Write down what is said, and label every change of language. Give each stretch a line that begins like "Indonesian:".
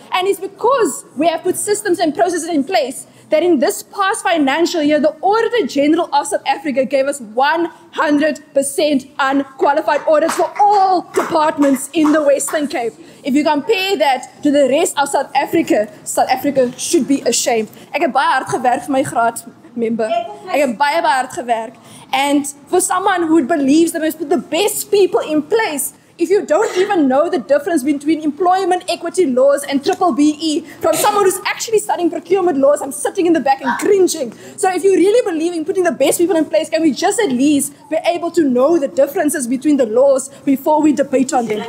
English: And it's because we have put systems and processes in place that in this past financial year, the Auditor General of South Africa gave us 100% unqualified audits for all departments in the Western Cape. If you compare that to the rest of South Africa should be ashamed.
Afrikaans: Ek het baie hard gewerk vir my graad member. Ek het baie, baie hard gewerk.
English: And for someone who believes that we must put the best people in place, if you don't even know the difference between employment equity laws and BBBE, from someone who's actually studying procurement laws, I'm sitting in the back and cringing. So if you really believe in putting the best people in place, can we just at least be able to know the differences between the laws before we debate on them?